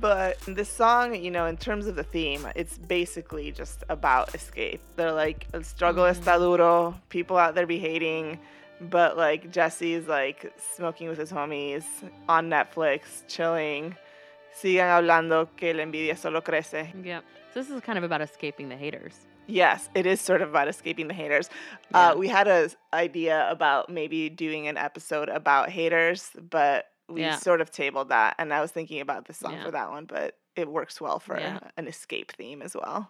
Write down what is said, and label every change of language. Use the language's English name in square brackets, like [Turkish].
[English] But the song, you know, in terms of the theme, it's basically just about escape. They're like, [Spanish] el struggle está duro, [English] people out there be hating, but like Jesse's like smoking with his homies on Netflix, chilling. [Spanish] Sigan hablando que la envidia solo crece. [English] Yeah. So this is kind of about escaping the haters. Yes, it is sort of about escaping the haters. Yeah. We had an idea about maybe doing an episode about haters, but we sort of tabled that. And I was thinking about the song for that one, but it works well for an escape theme as well.